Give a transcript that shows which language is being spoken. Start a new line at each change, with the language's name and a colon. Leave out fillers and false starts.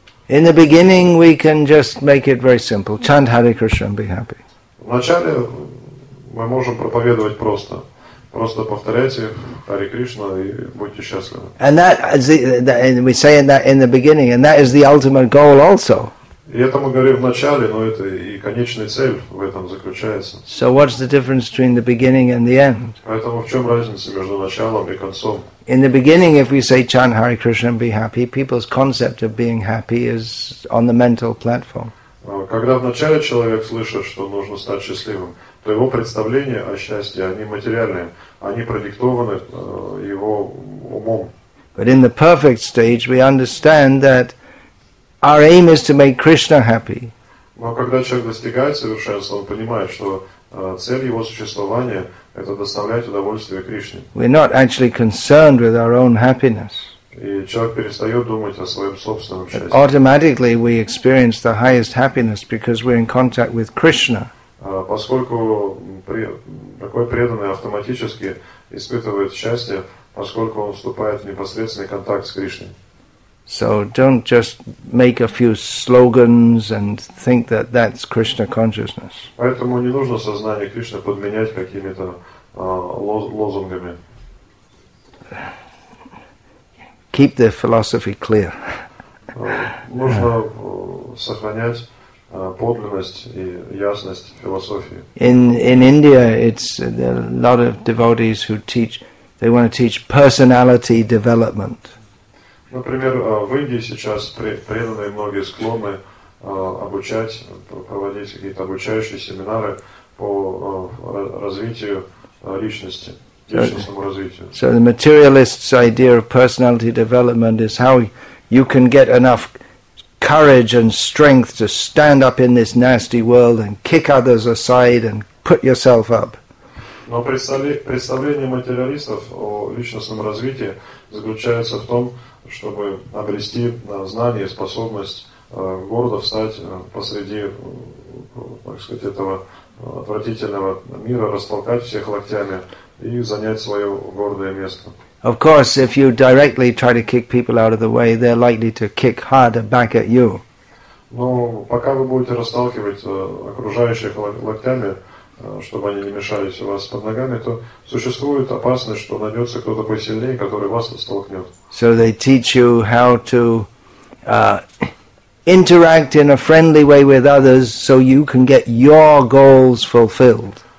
English: In the beginning, we can just make it very simple. Chant Hare Krishna and be happy.
Russian: Вначале мы можем проповедовать просто. Просто повторяйте Hare Krishna и будьте счастливы.
English: And that, and we say that in the beginning, and that is the ultimate goal also.
Russian: И это мы говорим в начале, но это и конечная цель в этом заключается.
English: So what's the difference between the beginning and the end?
Russian: Поэтому в чем разница между началом и концом?
English: In the beginning, if we say chant Hare Krishna and be happy, people's concept of being happy is on the mental platform.
Russian: Когда в начале человек слышит, что нужно стать счастливым, то его представления о счастье, они материальные, они продиктованы его умом.
English: But in the perfect stage, we understand that our aim is to make Krishna happy.
Russian: Но когда человек достигает совершенства, он понимает, что цель его существования – это доставлять удовольствие Кришне.
English: We're not actually concerned with our own happiness.
Russian: И человек перестает думать о своем собственном счастье.
English: But automatically we experience the highest happiness because we're in contact with Krishna.
Russian: Поскольку такой преданный автоматически испытывает счастье, поскольку он вступает в непосредственный контакт с Кришной.
English: So don't just make a few slogans and think that that's Krishna consciousness.
Russian: Поэтому не нужно сознание Кришны подменять какими-то лозунгами.
English: Keep the philosophy clear.
Russian: Нужно сохранять подлинность и ясность философии.
English: In India, it's a lot of devotees who teach. They want to teach personality development.
Russian: Например, в Индии сейчас преданные многие склонны обучать, проводить какие-то обучающие семинары по развитию личности, личностному развитию.
English: So the materialist's idea of personality development is how you can get enough courage and strength to stand up in this nasty world and kick others aside and put yourself up.
Russian: Но представление материалистов о личностном развитии заключается в том, чтобы обрести знание, способность гордо встать посреди, так сказать, этого отвратительного мира, растолкать всех локтями и занять свое гордое место.
English: Of course, if you directly try to kick people out of the way, they're likely to kick harder back at you.
Russian: Но пока вы будете расталкивать окружающих локтями, чтобы они не мешались у вас под ногами, то существует опасность, что найдется кто-то посильнее, который вас столкнет.
English: So they teach you how to interact in a friendly way with others, so you can get your goals fulfilled.